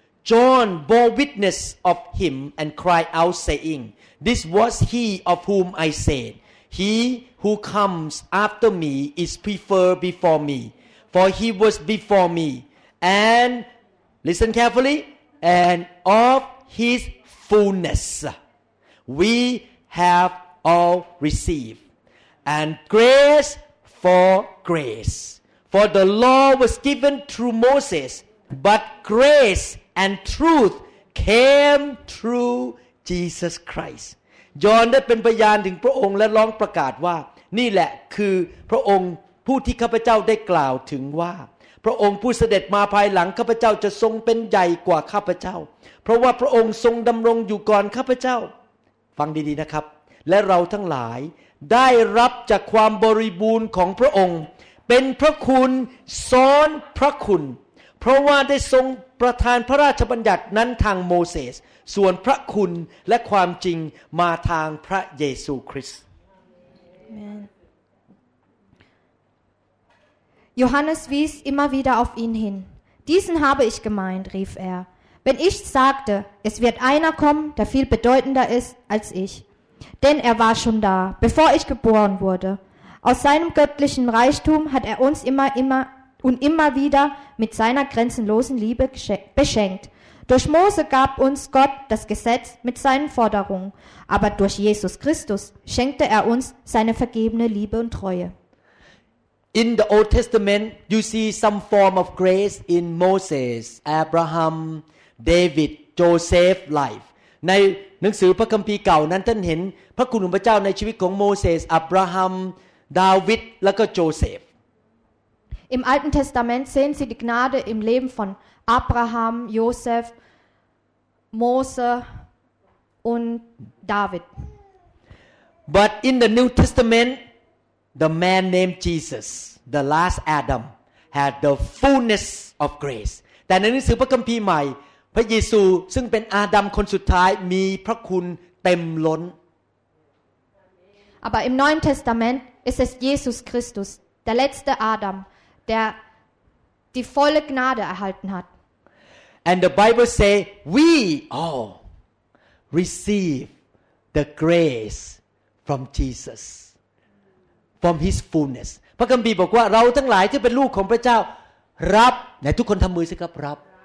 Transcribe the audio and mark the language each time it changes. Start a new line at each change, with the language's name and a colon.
English: John bore witness of him and cried out, saying, This was he of whom I said, He who comes after me is preferred before me, for he was before me. And, listen carefully, and of His fullness we have all received. And grace for grace. For the law was given through Moses, but grace and truth came through Jesus Christ.
Thai: John ได้เป็นพยานถึงพระองค์และร้องประกาศว่านี่แหละคือพระองค์ผู้ที่ข้าพเจ้าได้กล่าวถึงว่าพระองค์ผู้เสด็จมาภายหลังข้าพเจ้าจะทรงเป็นใหญ่กว่าข้าพเจ้าเพราะว่าพระองค์ทรงดำรงอยู่ก่อนข้าพเจ้า ฟังดีๆนะครับและเราทั้งหลายได้รับจากความบริบูรณ์ของพระองค์เป็นพระคุณซ้อนพระคุณเพราะว่าได้ทรงประทานพระราชบัญญัตินั้นทางโมเสสส่วนพระคุณและความจริงมาทางพระเยซูคริสต์
German: Johannes wies immer wieder auf ihn hin. Diesen habe ich gemeint, rief er. Wenn ich sagte, es wird einer kommen, der viel bedeutender ist als ich. Denn er war schon da, bevor ich geboren wurde. Aus seinem göttlichen Reichtum hat er uns immer wieder mit seiner grenzenlosen Liebe beschenkt. Durch Mose gab uns Gott das Gesetz mit seinen Forderungen. Aber durch Jesus Christus schenkte er uns seine vergebene Liebe und Treue.
English: In the Old Testament, you see some form of grace in Moses, Abraham, David, Joseph's life.
Thai: ในหนังสือพระคัมภีร์เก่านั้นท่านเห็นพระคุณของพระเจ้าในชีวิตของโมเสสอับราฮัมดาวิดและก็โจเซฟ
German: Im Alten Testament sehen Sie die Gnade im Leben von Abraham, Josef, Mose und David.
English: But in the New Testament, the man named Jesus, the last Adam, had the fullness of grace.
Thai: แต่ในหนังสือพระคัมภีร์ใหม่พระเยซูซึ่งเป็นอาดัมคนสุดท้ายมีพระคุณเต็มล้น
German: Aber im Neuen Testament ist es Jesus Christus, der letzte Adam, der die volle Gnade erhalten hat.
English: And the Bible say we all receive the grace from Jesus, from his fullness.
Thai: พระคัมภีร์บอกว่าเราทั้งหลายที่เป็นลูกของพระเจ้ารับไหนทุกคนทำมือสิครับรับ